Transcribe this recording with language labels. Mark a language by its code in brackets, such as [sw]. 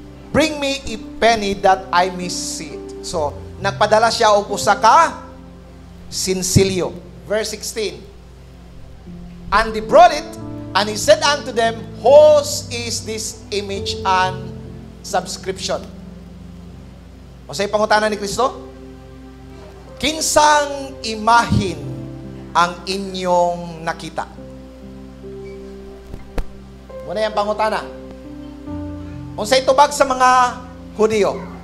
[en] Bring me a penny that I may see it. [ceb] So, nagpadala siya og usa ka sinsilyo. [en] Verse 16. And he brought it, and he said unto them, whose is this image and subscription? [ceb] O sa'y pangutana ni Kristo? kinsang imahin ang inyong nakita? Muna yung pangutana. Unsay tubag sa mga Hudiyo?